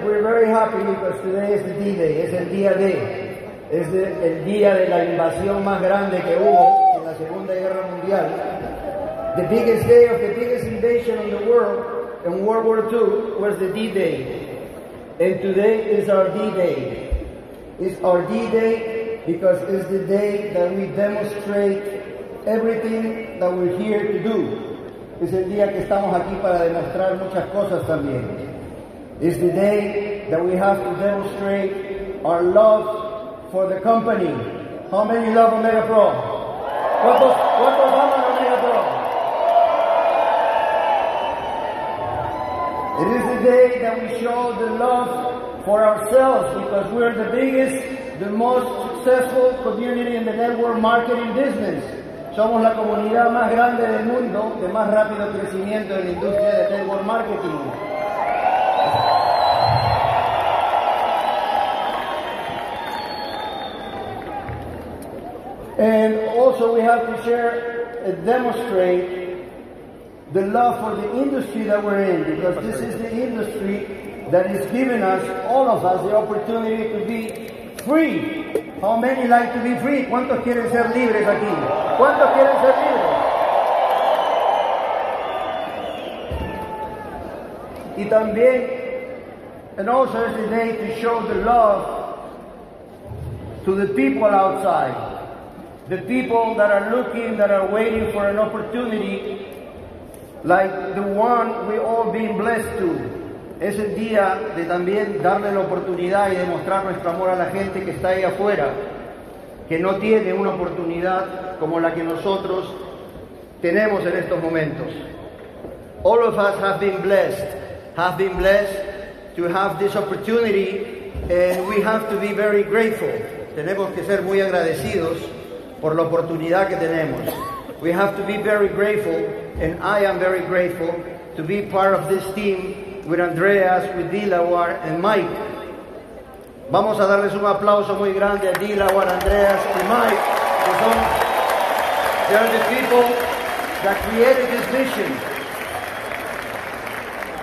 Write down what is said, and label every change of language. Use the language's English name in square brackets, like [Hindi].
[English] We're very happy because today is the D-Day. [Spanish] Es el día de. Es el día de la invasión más grande que hubo en la Segunda Guerra Mundial. [English] The biggest day of the biggest invasion in the world in World War II was the D-Day. And today is our D-Day. It's our D-Day because it's the day that we demonstrate everything that we're here to do. [Spanish] Es el día que estamos aquí para demostrar muchas cosas también. [English] It's the day that we have to demonstrate our love for the company. How many love OmegaPro? [Spanish] ¿Cuántos aman OmegaPro? [English] It is the day that we show the love for ourselves because we are the biggest, the most successful community in the network marketing business. [Spanish] Somos la comunidad más grande del mundo, de más rápido crecimiento en la industria de network marketing. [English] And also we have to share and demonstrate the love for the industry that we're in, because this is the industry that is giving us, all of us, the opportunity to be free. How many like to be free? [Spanish] ¿Cuántos quieren ser libres aquí? ¿Cuántos quieren ser libres? Y también, [English] and also it's the day to show the love to the people outside. The people that are looking, that are waiting for an opportunity like the one we all been blessed to. [Spanish] Es el día de también darle la oportunidad y demostrar nuestro amor a la gente que está ahí afuera, que no tiene una oportunidad como la que nosotros tenemos en estos momentos. [English] All of us have been blessed to have this opportunity, and we have to be very grateful. [Spanish] Tenemos que ser muy agradecidos por la oportunidad que tenemos. [English] We have to be very grateful, and I am very grateful to be part of this team with Andreas, with Dilawar, and Mike. [Spanish] Vamos a darles un aplauso muy grande a Dilawar, Andreas, and Mike, que son, [English] they are the people that created this vision.